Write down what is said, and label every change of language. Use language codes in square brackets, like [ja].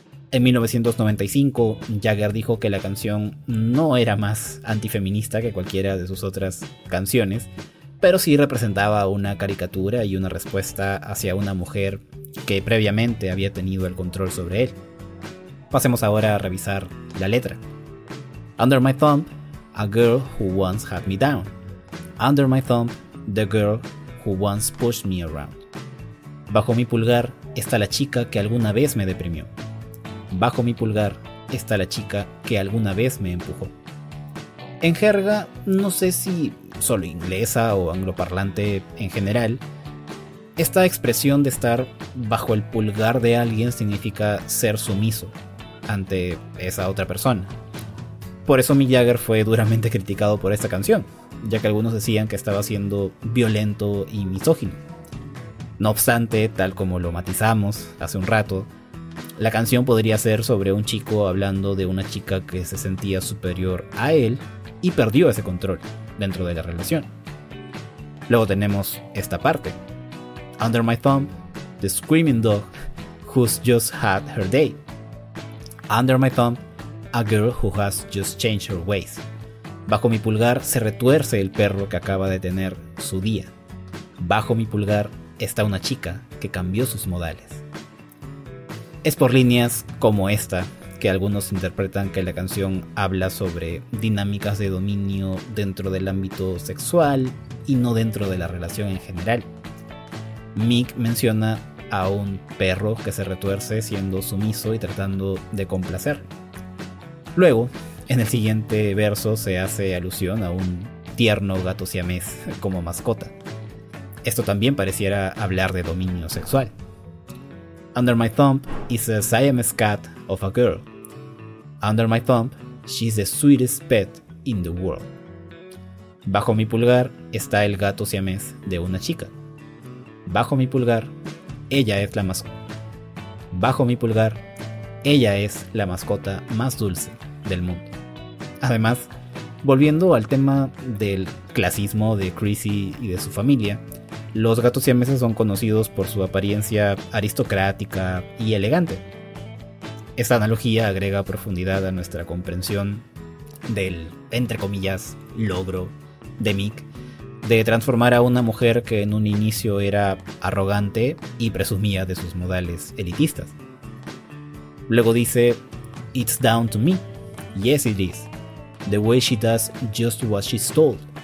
[es] En 1995, Jagger dijo que la canción no era más antifeminista que cualquiera de sus otras canciones, pero sí representaba una caricatura y una respuesta hacia una mujer que previamente había tenido el control sobre él. Pasemos ahora a revisar la letra. [en] Under my thumb, a girl who once had me down. Under my thumb, the girl who once pushed me around. [es] Bajo mi pulgar está la chica que alguna vez me deprimió. Bajo mi pulgar está la chica que alguna vez me empujó. En jerga, no sé si solo inglesa o angloparlante en general, esta expresión de estar bajo el pulgar de alguien significa ser sumiso ante esa otra persona. Por eso Mick Jagger fue duramente criticado por esta canción, ya que algunos decían que estaba siendo violento y misógino. No obstante, tal como lo matizamos hace un rato, la canción podría ser sobre un chico hablando de una chica que se sentía superior a él y perdió ese control dentro de la relación. Luego tenemos esta parte. [en] Under my thumb, the screaming dog who's just had her day. Under my thumb, a girl who has just changed her ways. [es] Bajo mi pulgar se retuerce el perro que acaba de tener su día. Bajo mi pulgar está una chica que cambió sus modales. Es por líneas como esta que algunos interpretan que la canción habla sobre dinámicas de dominio dentro del ámbito sexual y no dentro de la relación en general. Mick menciona a un perro que se retuerce siendo sumiso y tratando de complacer. Luego, en el siguiente verso se hace alusión a un tierno gato siamés como mascota. Esto también pareciera hablar de dominio sexual. [en] Under my thumb is a Siamese cat of a girl. Under my thumb, she's the sweetest pet in the world. [es] Bajo mi pulgar está el gato siamés de una chica. Bajo mi pulgar, ella es la mascota. Bajo mi pulgar, ella es la mascota más dulce del mundo. Además, volviendo al tema del clasismo de Chrissy y de su familia, los gatos siameses son conocidos por su apariencia aristocrática y elegante. Esta analogía agrega profundidad a nuestra comprensión del, entre comillas, logro de Mick de transformar a una mujer que en un inicio era arrogante y presumía de sus modales elitistas. Luego dice, [en] "It's down to me. Yes, it is. The way she does just what she's told.